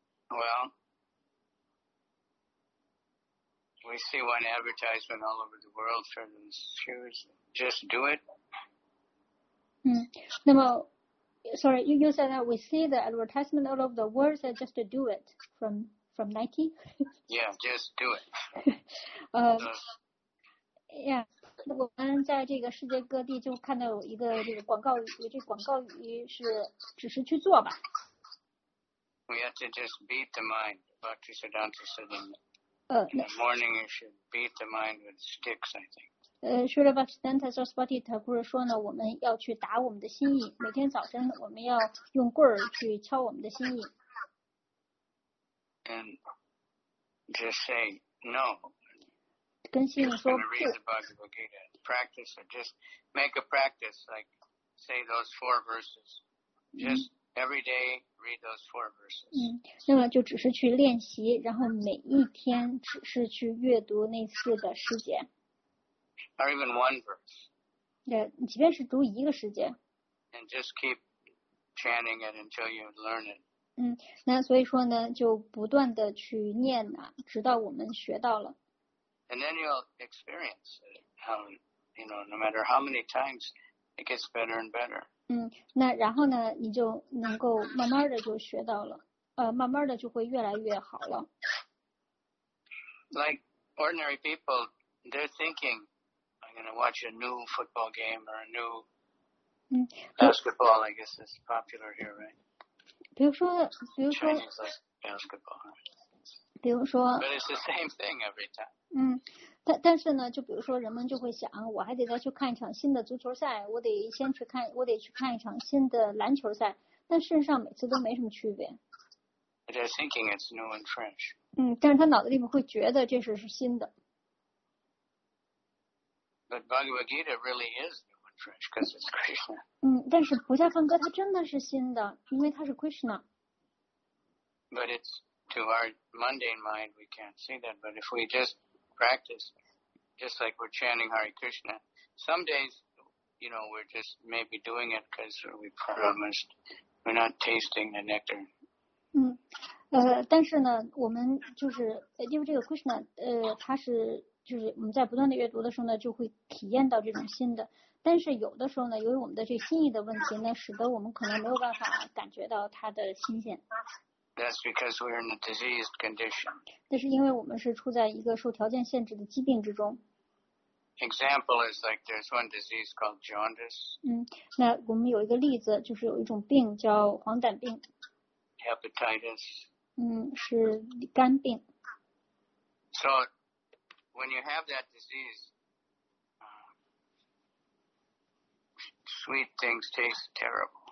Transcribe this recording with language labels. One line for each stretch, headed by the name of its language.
English: Well, we see one advertisement all over the world for these shoes. Just do it. Hmm. No, sorry, you said that we see the advertisement all over the world, so just to do it from Nike? Yeah, just do it.
Chinese: 我们在这个世界各地就看到一个这个广告语，这广告语是只是去做吧。
English: We have to just beat the mind. Bhakti Siddhanta said in the morning you should beat the mind with sticks, I think.
Chinese: Srila Bhaktisiddhanta Saraswati Thakur 说呢，我们要去打我们的心意，每天早晨我们要用棍儿去敲我们的心意。
English: And just say no.
Chinese: 跟心里说不。
English: Practice or just make a practice, like say those four verses. Just every day read those four verses.
Chinese: 那么就只是去练习，然后每一天只是去阅读那四个诗节。
English: Or even one verse.
Chinese: 对，即便是读一个时间。
English: And just keep chanting it until you learn it.
Chinese: 那所以说呢，就不断的去念啊，直到我们学到了。
English: And then you'll experience it, you know, no matter how many times, it gets better and better.
Chinese: 那然后呢，你就能够慢慢的就学到了，慢慢的就会越来越好了。
English: Like ordinary people, they're thinking. I'm going to watch a new football game or a new basketball, I guess it's popular here, right?
Chinese: 比如说
English: Chinese like basketball.
Chinese: 比如说
English: But it's the same thing every time.
Chinese: 但是呢就比如说人们就会想我还得再去看一场新的足球赛我得先去看我得去看一场新的篮球赛但事实上每次都没什么区别。
English: But they're thinking it's new and fresh.
Chinese: 但是他脑子里面会觉得这事是新的。
English: But Bhagavad Gita really is new and fresh because it's Krishna.
Chinese: 但是菩萨梵歌它真的是新的，因为它是 Krishna.
English: But it's to our mundane mind we can't see that. But if we just practice, just like we're chanting Hare Krishna, some days, you know, we're just maybe doing it because we promised we're not tasting the nectar.
Chinese: 但是呢，我们就是因为这个 Krishna， 它是。就是我们在不断的阅读的时候呢就会体验到这种新的但是有的时候呢由于我们的这心意的问题呢使得我们可能没有办法感觉到它的新鲜
English: That's because we're in a diseased condition
Chinese: 那是因为我们是处在一个受条件限制的疾病之中
English: Example is like there's one disease called jaundice
Chinese: 那我们有一个例子就是有一种病叫黄疸病
English: Hepatitis
Chinese: 是肝病
English: SoWhen you have that disease, sweet things taste terrible.